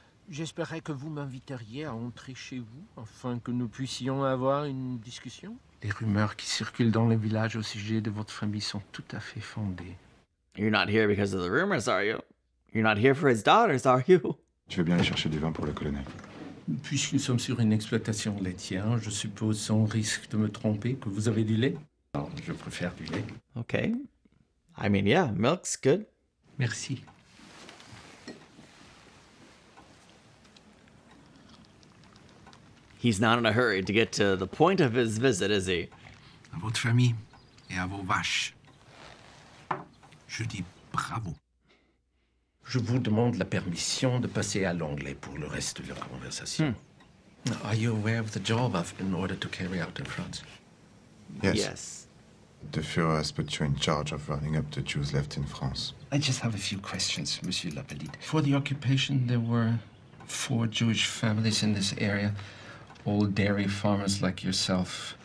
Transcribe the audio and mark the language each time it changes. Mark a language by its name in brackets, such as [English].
[French] J'espérais que vous m'inviteriez à entrer chez vous afin que nous puissions avoir une discussion. Les rumeurs qui circulent dans le village au sujet de votre famille sont tout à fait fondées. [English] You're not here because of the rumors, are you? You're not here for his daughters, are you? [French] Tu veux bien aller chercher du vin pour le colonel? Puisque nous sommes sur une exploitation laitière, je suppose sans risque de me tromper que vous avez du lait? Non, je préfère du lait. [English] Ok. I mean, yeah, milk's good. [French] Merci. [English] He's not in a hurry to get to the point of his visit, is he? [French] À votre famille et à vos vaches. Je dis bravo. Je vous demande la permission de passer à l'anglais pour le reste de la conversation. Hmm. [English] Are you aware of the job I've been ordered to carry out in France? Yes. Yes. The Führer has put you in charge of rounding up the Jews left in France. I just have a few questions, Monsieur Lapalit. For the occupation, there were four Jewish families in this area, all dairy farmers like yourself.